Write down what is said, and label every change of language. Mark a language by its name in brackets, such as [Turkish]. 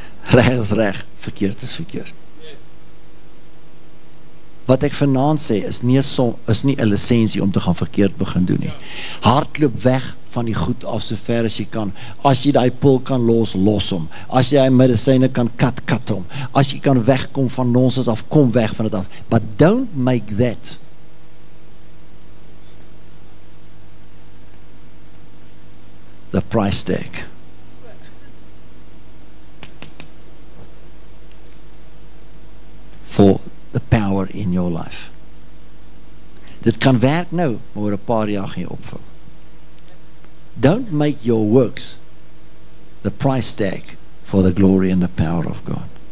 [Afrikaans] Reg is reg, verkeerd is verkeerd. Wat ek vanaand sê, is nie 'n lisensie om te gaan verkeerd begin doen nie. Hardloop weg van die goed af so ver as jy kan. As jy die pil kan los, los hom. As jy die medisyne kan kat, kat hom. As jy kan wegkom van nonsens af, kom weg van dit af. [English] But don't make that the price tag. For the power in your life. [Afrikaans] Dit kan werk nou, maar oor 'n paar jaar gaan jy opvou. [English] Don't make your works the price tag for the glory and the power of God.